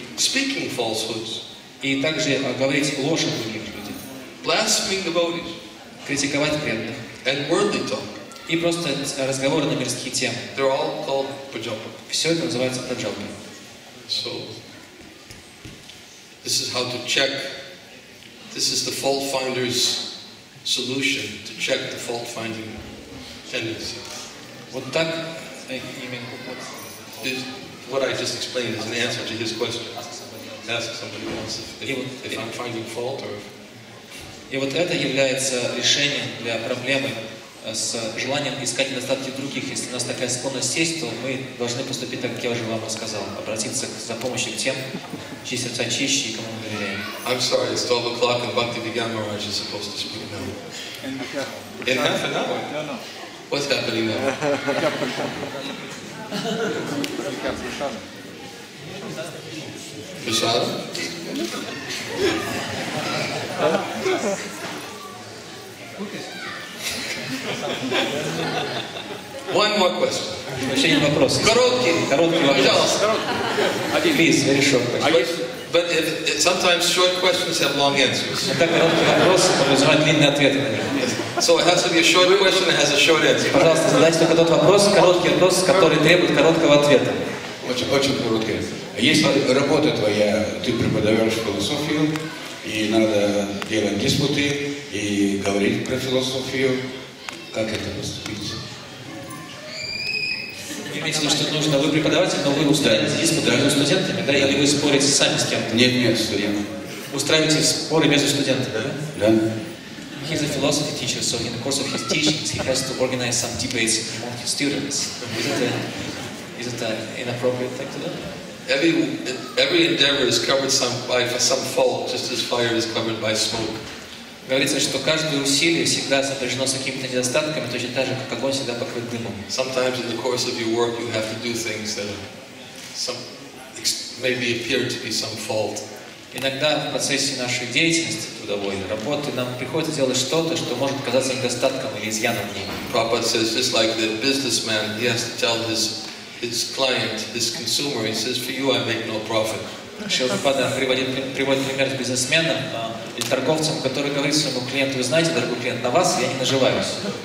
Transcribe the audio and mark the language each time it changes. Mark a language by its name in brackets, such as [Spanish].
[English] Speaking falsehoods. [Russian] И также говорить ложь о других людях. [English] Blaspheming devotees. [Russian] Критиковать преданных. [English] And worldly talk. [Russian] И просто разговоры на мирские темы. [English] They're all called prajalpa. [Russian] Все это называется праджалпа. [English] So, this is how to check. This is the fault finder's solution to check the fault finding tendency. [Russian] Вот так, именно вот. [English] What I just explained is an answer to his question. Ask somebody else if I'm finding fault or. [Russian] И вот это является решением для проблемы с желанием искать недостатки других. Если у нас такая склонность есть, то мы должны поступить так, как я уже вам рассказал, обратиться за помощью к тем, чьи сердца чище и кому мы доверяем. [English] I'm sorry, it's 12 o'clock and Bhakti Vigyan Maharaj is supposed to speak now. In half an hour? No. What's happening now? [Russian] Я прошу. Прошел? [English] One more question. [Russian] Еще один вопрос. Короткий вопрос. Пожалуйста. Один. [English] Please, very short question. But if sometimes short questions have long answers. [Russian] Это короткий вопрос, подразумевает длинный ответ на него. [English] So it has to be a short question that has a short answer. [Russian] Пожалуйста, задайте только тот вопрос, короткий вопрос, который требует короткого ответа. Очень, очень короткий. А если работа твоя, ты преподаешь философию, и надо делать диспуты, и говорить про философию, как это поступить? Имеется в виду, что нужно, вы преподаватель, но вы устраиваете диспуты между студентами, да? Или вы спорите сами с кем-то? Нет, студентами. Устраиваете споры между студентами, да? Да. [English] He's a philosophy teacher, so in the course of his teachings, he has to organize some debates among his students. Is it an inappropriate thing to do? Every endeavor is covered by some fault, just as fire is covered by smoke. [Russian] Говорится, что каждое усилие всегда сопряжено с какими-то недостатками, точно так же, как огонь всегда покрыт дымом. [English] Sometimes in the course of your work, you have to do things that maybe appear to be some fault. [Russian] Иногда в процессе нашей деятельности трудовой работы нам приходится делать что-то, что может казаться недостатком или изъяном в ней. [English] Prabhupada says, just like the businessman, he has to tell his client, his consumer, he says, for you I make no profit. [Russian] Шилпада приводит пример бизнесмена или торговцам, который говорит своему клиенту, вы знаете, дорогой клиент, на вас я не наживаюсь.